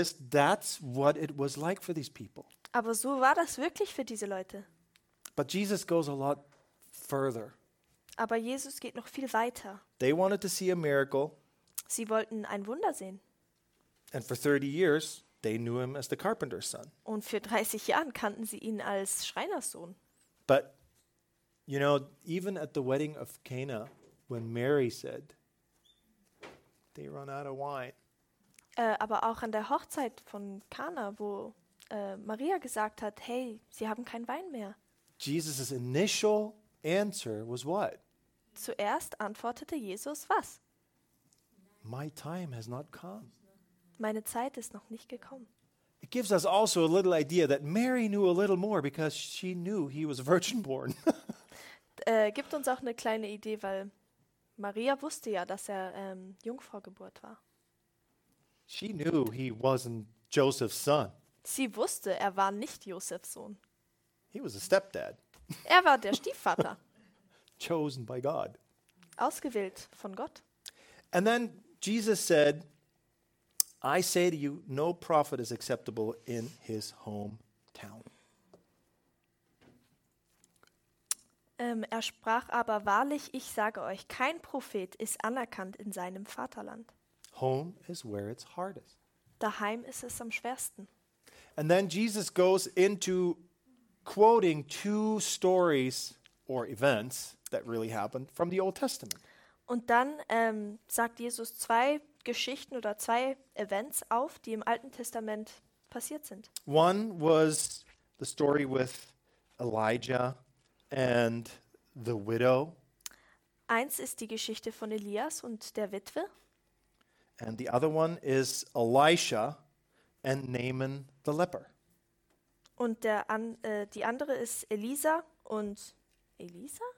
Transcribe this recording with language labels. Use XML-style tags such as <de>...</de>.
<en>That's what it was like for these people.</en> <de>Aber so war das wirklich für diese Leute.</de> <en>But Jesus goes a lot further.</en> <de>Aber Jesus geht noch viel weiter.</de> <en>They wanted to see a miracle.</en> <de>Sie wollten ein Wunder sehen.</de> <en>And for 30 years they knew him as the carpenter's son.</en> <de>Und für 30 Jahren kannten sie ihn als Schreinerssohn.</de> <en>But you know, even at the wedding of Cana, when Mary said, they run out of wine.</en> <de>Aber auch an der Hochzeit von Cana, wo Maria gesagt hat, hey, sie haben keinen Wein mehr.</de> <en>Jesus' initial answer was what?</en> <de>Zuerst antwortete Jesus was?</de> <en>My time has not come.</en> <de>Meine Zeit ist noch nicht gekommen.</de> <en>It gives us also a little idea that Mary knew a little more because she knew he was virgin born.</en> <de>Gibt uns auch eine kleine Idee, weil Maria wusste ja, dass er Jungfraugeburt war.</de> <en>She knew he wasn't Joseph's son.</en> <de>Sie wusste, er war nicht Josephs Sohn.</de> <en>He was a stepdad.</en> <de>Er war der Stiefvater.</de> <en>Chosen by God.</en> <de>ausgewählt von Gott.</de> <en>And then Jesus said, I say to you, no prophet is acceptable in his hometown.</en> <de>Er sprach aber, wahrlich, ich sage euch, kein Prophet ist anerkannt in seinem Vaterland.</de> <en>Home is where it's hardest.</en> <de>Daheim ist es am schwersten.</de> <en>And then Jesus goes into quoting two stories or events that really happened from the Old Testament.</en> <de>Und dann sagt Jesus zwei Geschichten oder zwei Events auf, die im Alten Testament passiert sind.</de> <en>One was the story with Elijah and the widow.</en> <de>Eins ist die Geschichte von Elias und der Witwe.</de> <en>And the other one is Elisha and Naaman the leper.</en> <de>Und der die andere ist Elisa und Elisa?</de>